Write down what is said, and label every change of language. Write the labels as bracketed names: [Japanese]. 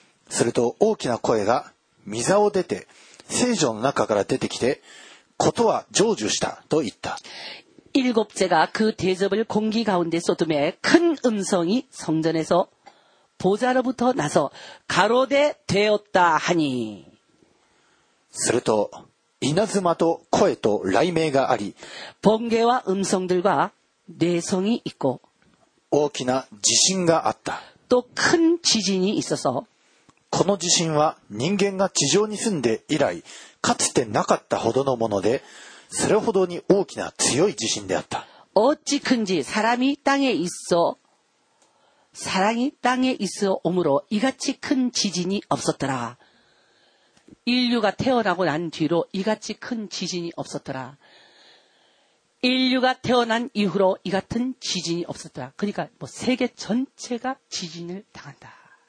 [Japanese] すると大きな声が溝を出て聖所の中から出てきてことは成就したと言った。 [Korean] 일곱째가그대접을공기가운데쏟으매큰음성이성전에서보좌로부터나서가로대되었다하니 [Japanese] すると稲妻と声と雷鳴があり [Korean] 번개와음성들과뇌성이있고 [Japanese] 大きな地震があった [Korean] 또큰지진이있어서 [Japanese] この地震は人間が地上に住んで以来かつてなかったほどのものでそれほどに大きな強い地震であった [Korean] 어찌큰지사람이땅에있어사람이땅에있어오므로이같이큰지진이없었더라인류가태어나고난뒤로이같이큰지진이없었더라인류가태어난이후로이같은지진이없었더라그러니까뭐세계전체가지진을당한다